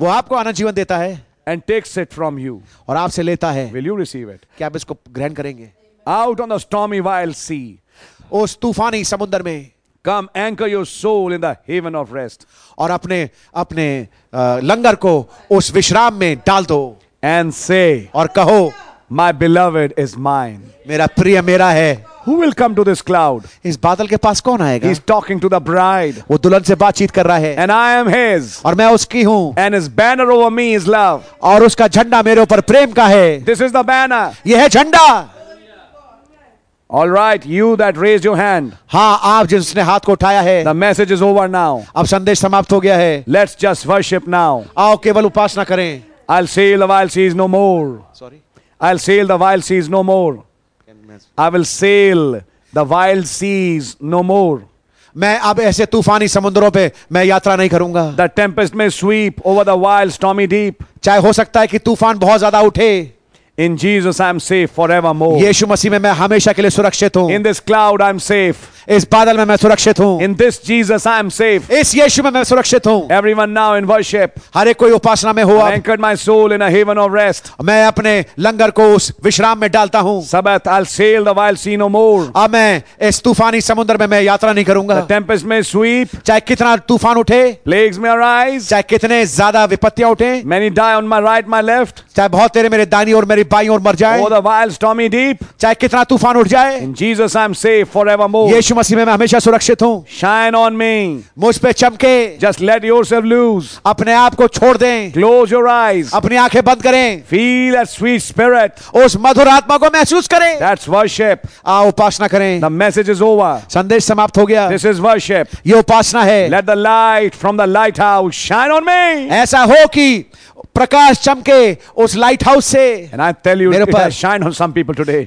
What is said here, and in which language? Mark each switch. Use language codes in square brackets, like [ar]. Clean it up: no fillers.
[hi] वो आपको अनंत जीवन देता है. [en] And takes it from you. [hi] और आपसे लेता है. [en] Will you receive it? [hi] क्या आप इसको ग्रहण करेंगे? [en] Out on the stormy wild sea. [hi] उस तूफानी समुद्र में. [en] Come anchor your soul in the haven of rest. [hi] और अपने लंगर को उस विश्राम में डाल दो. [en] And say, [hi] और कहो, [en] my beloved is mine. [hi] मेरा प्रिय मेरा है. [en] Who will come to this cloud? [hi] इस बादल के पास कौन आएगा? [en] He's talking to the bride. [hi] वो दुल्हन से बातचीत कर रहा है. [en] And I am his. [hi] और मैं उसकी हूँ. [en] And his banner over me is love. [hi] और उसका झंडा मेरे ऊपर प्रेम का है. [en] This is the banner. [hi] यह है झंडा. [en] All right, you that raised your hand. [hi] हाँ, आप जिसने हाथ को उठाया है. [en] The message is over now. [hi] अब संदेश समाप्त हो गया है. [en] Let's just worship now. [hi] आओ केवल उपासना करें. [en] I'll sail the wild seas no more. Sorry. I'll sail the wild seas no more. I will sail the wild seas no more. [hi] मैं अब ऐसे तूफानी समुद्रों पे मैं यात्रा नहीं करूंगा. [en] The tempest may sweep over the wild stormy deep. [hi] चाहे हो सकता है कि तूफान बहुत ज्यादा उठे. [en] In Jesus, I am safe forevermore. [hi] यीशु मसीह में मैं हमेशा के लिए सुरक्षित हूँ. [en] In this cloud, I am safe. [hi] इस बादल में मैं सुरक्षित हूँ. [en] In this Jesus I am safe. [hi] इस यीशु में मैं सुरक्षित हूँ. [en] Everyone now in worship. [hi] हर एक कोई उपासना में हो. [en] I anchored my soul in a haven of rest. [hi] मैं अपने लंगर को उस विश्राम में डालता हूँ. [en] Sabbath I'll sail the wild sea no more. [hi] अब मैं इस तूफानी समुद्र में मैं यात्रा नहीं करूँगा. [en] The tempest may sweep. [hi] चाहे कितना तूफान उठे. [en] Plagues may arise. [hi] चाहे कितने ज़्यादा विपत्तियाँ उठे. [en] Many die on my right, my left. [hi] चाहे बहुत तेरे मेरे दाहिनी और मेरी बाईं ओर मर जाए. [en] Oh, the wild stormy deep. [hi] चाहे कितना तूफान उठ जाए. [en] In Jesus I am safe forevermore. [hi] यीशु मसीह में मैं हमेशा सुरक्षित हूँ. [en] Shine on me. [hi] मुझ पे चमके. [en] Just let yourself loose. [hi] अपने आप को छोड़ दें. [en] Close your eyes. [hi] अपनी आंखें बंद करें. [en] Feel that sweet spirit. [hi] उस मधुर आत्मा को महसूस करें. [en] That's worship. [hi] आ उपासना करें. [en] The message is over. [hi] संदेश समाप्त हो गया. [en] This is worship. [hi] ये उपासना है. [en] Let the light from the lighthouse shine on me. [hi] ऐसा हो कि प्रकाश चमके उस लाइट हाउस से. [en] And I tell you, it has shined on some people today.